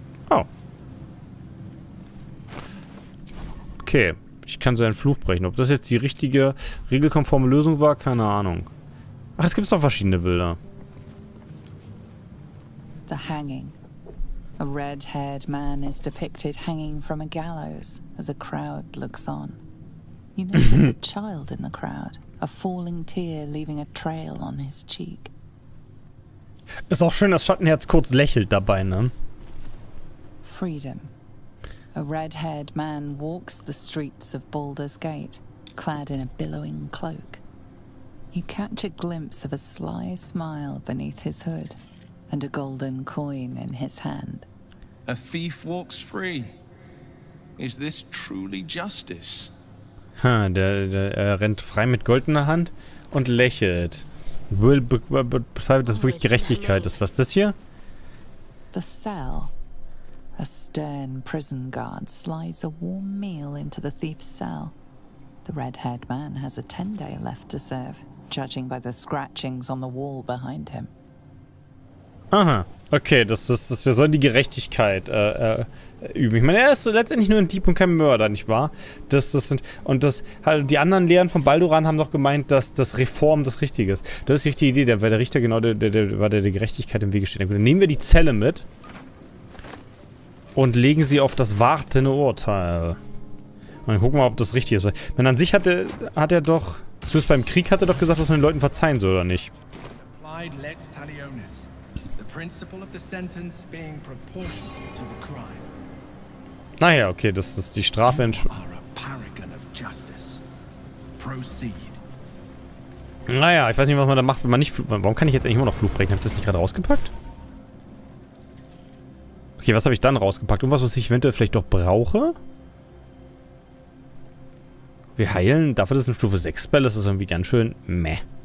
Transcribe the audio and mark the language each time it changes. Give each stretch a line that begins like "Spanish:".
German: Oh. Okay. Ich kann seinen Fluch brechen. Ob das jetzt die richtige, regelkonforme Lösung war? Keine Ahnung. Ach, es gibt doch verschiedene Bilder.
English: The hanging. A red-haired man is depicted hanging from a gallows as a crowd looks on. You notice a child in the crowd, a falling tear leaving a trail on his cheek.
German: Ist auch schön, dass Schattenherz kurz lächelt dabei, ne?
English: Freedom. A red-haired man walks the streets of Baldur's Gate, clad in a billowing cloak. You catch a glimpse of a sly smile beneath his hood, and a golden coin in his hand. A thief walks free. Is this truly justice?
German: Ha, der rennt frei mit goldener Hand und lächelt. Das ist wirklich Gerechtigkeit. Was ist das hier?
English: The cell. A stern prison guard slides a warm meal into the thief's cell. The red-haired man has a 10-day left to serve, judging by the scratchings on the wall behind him.
German: Aha, okay, das wir sollen die Gerechtigkeit üben. Ich meine, er ist letztendlich nur ein Dieb und kein Mörder, nicht wahr? Die anderen Lehren von Balduran haben doch gemeint, dass das Reform das Richtige ist. Das ist die richtige Idee, weil der Richter genau der Gerechtigkeit im Wege steht. Dann nehmen wir die Zelle mit. Und legen sie auf das wartende Urteil. Und dann gucken wir mal, ob das richtig ist. Wenn an sich hat er doch. Zumindest beim Krieg hat er doch gesagt, dass man den Leuten verzeihen soll, oder nicht?
English: Applied Lex Talionis. The principle of the sentence being proportional to the crime.
German: Naja, okay, das ist die Strafe.
English: You are a paragon of justice. Proceed.
German: Naja, ich weiß nicht, was man da macht, wenn man nicht. Warum kann ich jetzt eigentlich immer noch Fluch brechen? Hab ich das nicht gerade rausgepackt? Okay, was habe ich dann rausgepackt? Irgendwas, was ich eventuell vielleicht doch brauche? Wir heilen. Dafür ist es eine Stufe 6 Spell. Das ist irgendwie ganz schön meh.